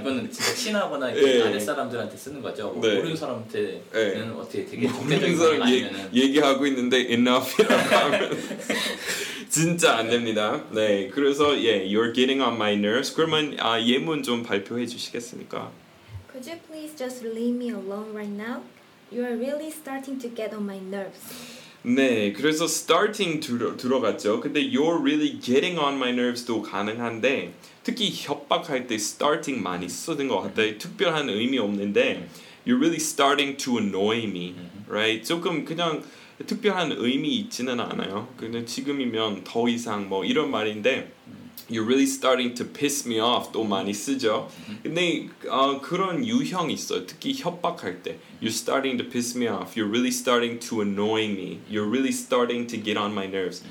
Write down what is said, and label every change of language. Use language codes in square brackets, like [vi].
[ko] 이거는 진짜 친하거나 예. 아랫사람들한테 쓰는 거죠. 네. 모르는 사람한테는 네. 어떻게 되게 정제적인 말 아니면은 얘기하고 있는데 enough이라고 하면 진짜 안 됩니다. 네, 그래서 예, [en] you're getting on my nerves. [ko] 그러면 예문 좀 발표해 주시겠습니까? [en] Could you please just leave me alone right now? You are really starting to get on my nerves. [ko] 네, 그래서 starting 들어갔죠. 근데 [en] you're really getting on my nerves [ko] 도 가능한데 특히 협박할 때 starting 많이 쓰는 것 같아요. 특별한 의미 없는데 [en] you're really starting to annoy me, right? [ko] 조금 그냥 특별한 의미 있지는 않아요. 근데 지금이면 더 이상 뭐 이런 말인데 [en] you're really starting to piss me off [ko] 또 많이 쓰죠. 근데 그런 유형 있어요. 특히 협박할 때 [en] you're starting to piss me off, you're really starting to annoy me, you're really starting to get on my nerves.